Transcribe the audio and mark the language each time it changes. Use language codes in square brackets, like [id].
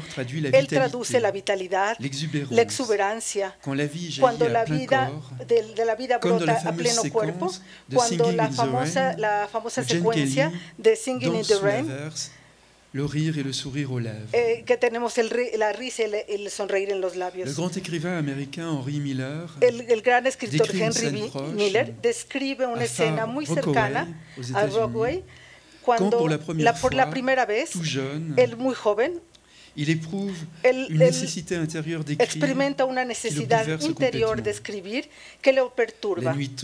[es] Él traduce la vitalidad, la exuberancia, cuando la vida de la vida brota a pleno cuerpo, cuando la famosa secuencia de Singing in the Rain, [fr] le rire et le sourire aux lèvres. [es] Que tenemos la risa y el sonreír en los labios. [fr] Le grand écrivain américain Henry Miller, [es] el gran escritor Henry Miller describe una escena muy cercana a Broadway cuando por la primera vez, [fr] tout jeune, [es] él muy joven, experimenta una necesidad interior de escribir que le perturba.